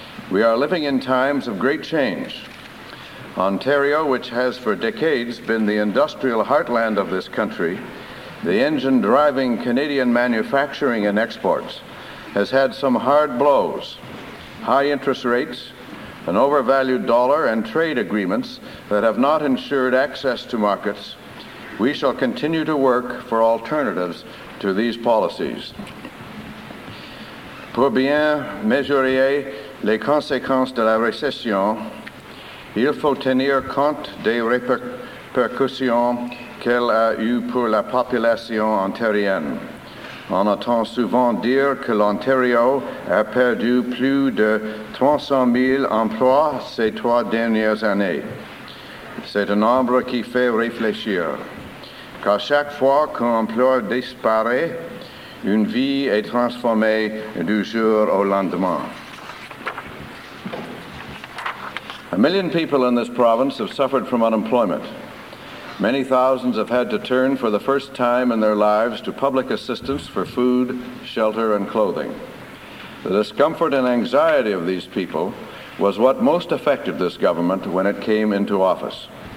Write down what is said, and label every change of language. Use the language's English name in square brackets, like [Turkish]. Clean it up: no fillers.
[English] We are living in times of great change. Ontario, which has for decades been the industrial heartland of this country, the engine driving Canadian manufacturing and exports, has had some hard blows. High interest rates, an overvalued dollar, and trade agreements that have not ensured access to markets. We shall continue to work for alternatives to these policies. [French] Pour bien mesurer les conséquences de la récession, il faut tenir compte des répercussions qu'elle a eues pour la population ontarienne. On entend souvent dire que l'Ontario a perdu plus de 300 000 emplois ces trois dernières années. C'est un nombre qui fait réfléchir, car chaque fois qu'un emploi disparaît, une vie est transformée du jour au lendemain. [English] A million people in this province have suffered from unemployment. Many thousands have had to turn for the first time in their lives to public assistance for food, shelter, and clothing. The discomfort and anxiety of these people was what most affected this government when it came into office.